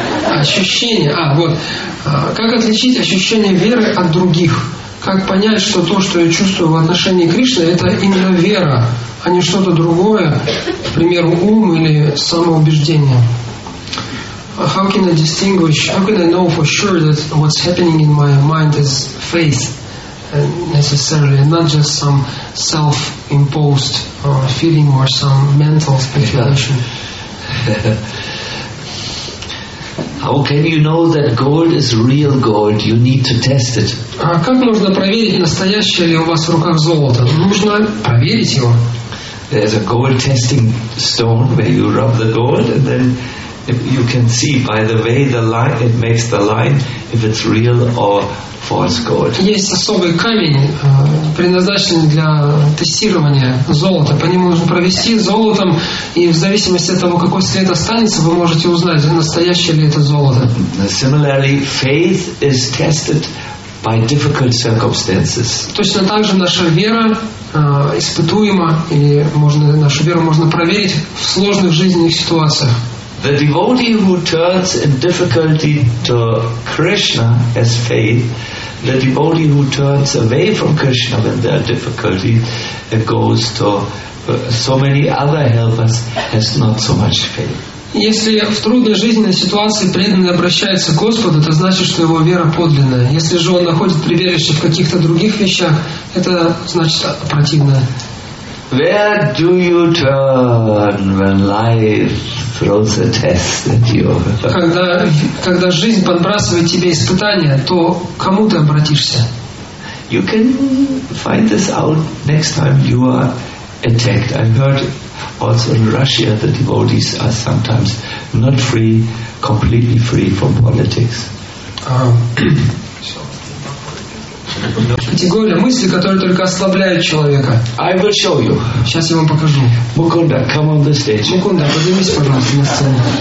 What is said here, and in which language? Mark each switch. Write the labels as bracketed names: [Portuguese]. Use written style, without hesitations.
[Russian] Ощущение. Как отличить ощущение веры от других? Как понять, что то, что я чувствую в отношении Кришны, это именно вера, а не что-то другое, к примеру, ум или самоубеждение? [English] How can I distinguish? How can I know for sure that what's happening in my mind is faith necessarily, not just some self-imposed feeling or some mental speculation? How can you know that gold is real gold? You need to test it. [Russian] А как можно проверить, настоящее ли у вас в руках золото? Нужно проверить его. [English] There's a gold testing stone where you rub the gold and then you can see by the way the line it makes the line if it's real or false gold. [Russian] Есть особый камень, предназначенный для тестирования золота. По нему нужно провести золотом, и в зависимости от того, какой цвет останется, вы можете узнать, настоящее ли это золото. [English] Similarly, faith is tested by difficult circumstances. [Russian] Точно так же наша вера испытуема, или можно, нашу веру можно проверить в сложных жизненных ситуациях. [English] The devotee who turns in difficulty to Krishna as faith, the devotee who turns away from Krishna when there are difficulties, it goes to so many other helpers, has not so much faith. [Russian] Если в трудной жизненной ситуации преданный обращается к Господу, это значит, что его вера подлинная. Если же он находит прибежище в каких-то других вещах, это значит противное. [English] Where do you turn when life throws a test at you? [Russian] Когда жизнь подбрасывает тебе испытания, то кому ты обратишься? [English] You can find this out next time you are attacked. I've heard also in Russia the devotees are sometimes not free, completely free from politics. [Russian] Категория мысли, которая только ослабляет человека. [English] I will show you. [Russian] Сейчас я вам покажу. [English] Мукунда, come on the stage. [Russian] Мукунда, поднимись, пожалуйста, на сцену.